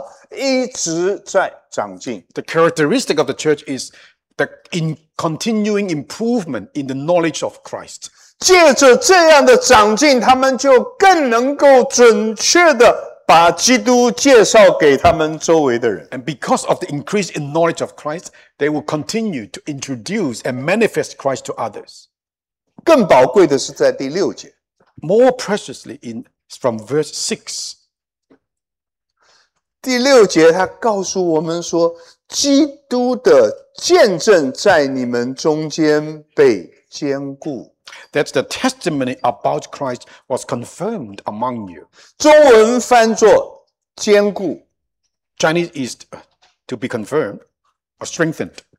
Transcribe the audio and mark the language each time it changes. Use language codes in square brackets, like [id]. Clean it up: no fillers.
[zh] 它的特点就是它在认识基督的事情上一直在长进. [en] The characteristic of the church is the in continuing improvement in the knowledge of Christ. [zh] 借着这样的长进, 他们就更能够准确地把基督介绍给他们周围的人. [en] And because of the increase in knowledge of Christ, they will continue to introduce and manifest Christ to others. [zh] 更宝贵的是在第六节. [en] More preciously in from verse 6. [zh] 第六节他告诉我们说, 基督的见证在你们中间被坚固. [en] That the testimony about Christ was confirmed among you. [zh] 中文翻作坚固. [en] Chinese is to be confirmed or strengthened.